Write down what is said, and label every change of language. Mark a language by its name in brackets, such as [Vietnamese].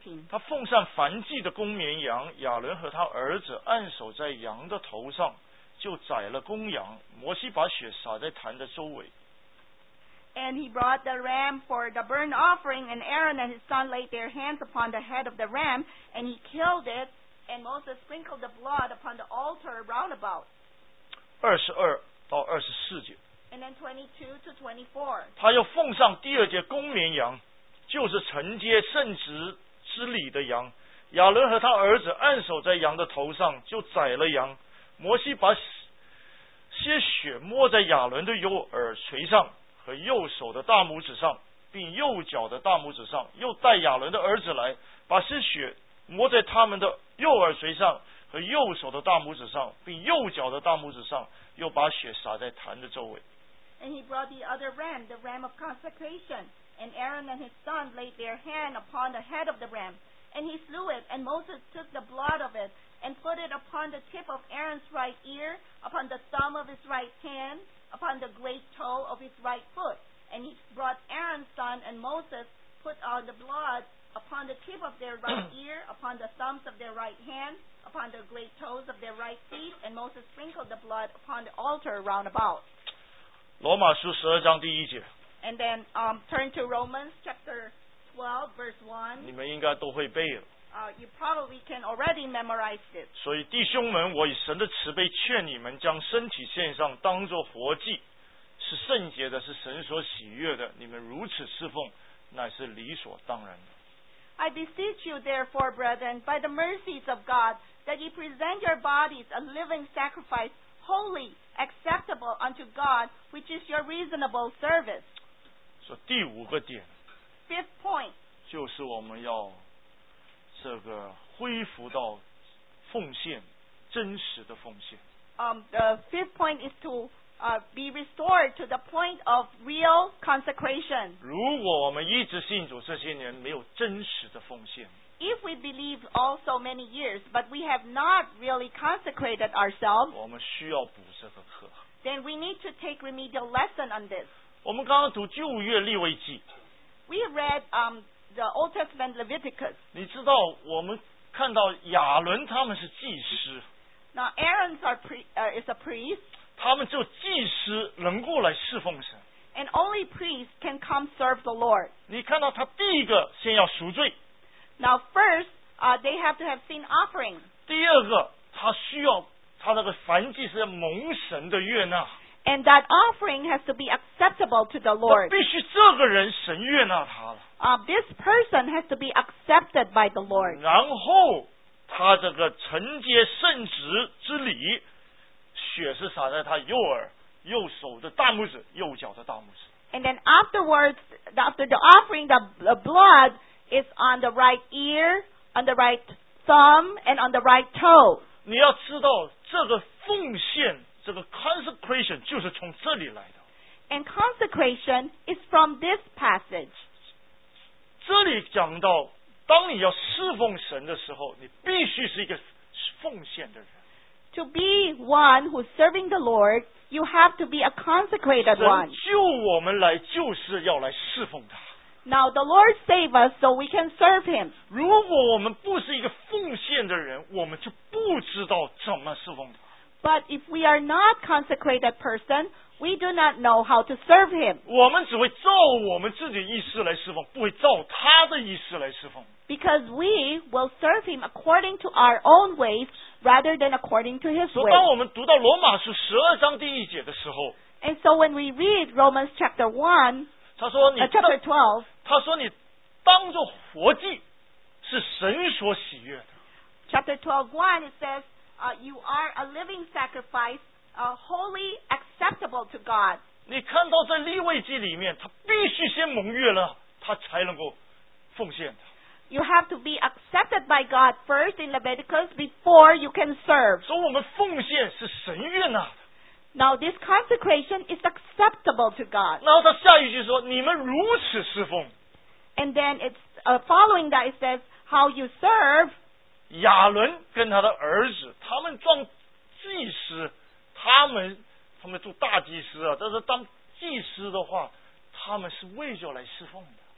[Chinese] 他奉上燔祭的公绵羊，亚伦和他儿子按手在羊的头上，就宰了公羊，摩西把血洒在坛的周围。 [English] And he brought the ram for the burnt offering, and Aaron and his son laid their hands upon the head of the ram, and he killed it, and Moses sprinkled the blood upon the altar round about. [Chinese] 22-24节。 [English] And then 22-24. [Chinese] 他又奉上第二节公绵羊，就是承接圣职之礼的羊，亚伦和他儿子按手在羊的头上，就宰了羊，摩西把些血抹在亚伦的右耳垂上和右手的大拇指上，并右脚的大拇指上，又带亚伦的儿子来，把些血抹在他们的右耳垂上和右手的大拇指上，并右脚的大拇指上，又把血洒在坛的周围。 [English] And he brought the other ram, the ram of consecration, and Aaron and his son laid their hand upon the head of the ram, and he slew it, and Moses took the blood of itand put it upon the tip of Aaron's right ear, upon the thumb of his right hand, upon the great toe of his right foot. And he brought Aaron's son and Moses, put on the blood upon the tip of their right ear, upon the thumbs of their right hand, upon the great toes of their right feet, and Moses sprinkled the blood upon the altar round about. [Chinese] 罗马书十二章第一节。 [English] And then turn to Romans chapter 12, verse 1. [Chinese] 你们应该都会背了。 [English] You probably can already memorize it. [Chinese] 所以弟兄们，我以神的慈悲劝你们，将身体献上，当作活祭，是圣洁的，是神所喜悦的。你们如此侍奉，乃是理所当然的。 [English] I beseech you, therefore, brethren, by the mercies of God, that ye present your bodies a living sacrifice, holy, acceptable unto God, which is your reasonable service. [Chinese] 所以第五个点。 [English] Fifth point. [Chinese] 就是我们要。这个恢复到奉献，真实的奉献。 [English] The fifth point is to be restored to the point of real consecration. [Chinese] 如果我们一直信主这些年没有真实的奉献 [English] ，If we believe all so many years, but we have not really consecrated ourselves, [Chinese] 我们需要补这个课。 [English] Then we need to take remedial lesson on this. [Chinese] 我们刚刚读旧约利未记 [English] ，We read The Old Testament Leviticus. [Chinese] 你知道我们看到亚伦他们是祭司。 [English] Now Aaron is a priest. [Chinese] 他们就祭司能够来侍奉神。 [English] And only priests can come serve the Lord. [Chinese] 你看到他第一个先要赎罪。 [English] Now first, they have to have sin offering. [Chinese] 第二个，他需要他那个燔祭是蒙神的悦纳。 [English] And that offering has to be acceptable to the Lord. [Chinese] 必须这个人神悦纳他了。 [English] This person has to be accepted by the Lord. [Chinese] 然后他这个承接圣职之礼，血是洒在他右耳、右手的大拇指、右脚的大拇指。 [English] And then afterwards, after the offering, the blood is on the right ear, on the right thumb, and on the right toe. [Chinese] 你要知道这个奉献。这个 consecration 就是从这里来的。 [English] And consecration is from this passage. [Chinese] 这里讲到，当你要侍奉神的时候，你必须是一个奉献的人。 [English] To be one who's serving the Lord, you have to be a consecrated one. [Chinese] 神救我们来就是要来侍奉他。 [English] Now the Lord save us so we can serve Him. [Chinese] 如果我们不是一个奉献的人，我们就不知道怎么侍奉他。 [English] But if we are not consecrated person, we do not know how to serve him. [Chinese] 我们只会照我们自己意思来侍奉，不会照他的意思来侍奉。 [English] Because we will serve him according to our own ways rather than according to his ways. [Chinese] 当我们读到罗马书十二章第一节的时候， [English] And so when we read Romans chapter 1, [Chinese] 他说你 [English] chapter 12, [Chinese] 他说你当作活祭是神所喜悦的。 [English] Chapter 12:1 it says, you are a living sacrifice, a holy acceptable to God. [Chinese] 你看到在利未记里面，他必须先蒙悦了，他才能够奉献的。 [English] You have to be accepted by God first in Leviticus before you can serve. [Chinese] 所以我们奉献是神悦纳。 [English] Now this consecration is acceptable to God. [Chinese] 然后他下一句说，你们如此侍奉。 [English] And then it's following that it says how you serve. [Chinese] 亚伦跟他的儿子，他们当祭司，他们做大祭司啊，但是当祭司的话，他们是为着来侍奉的。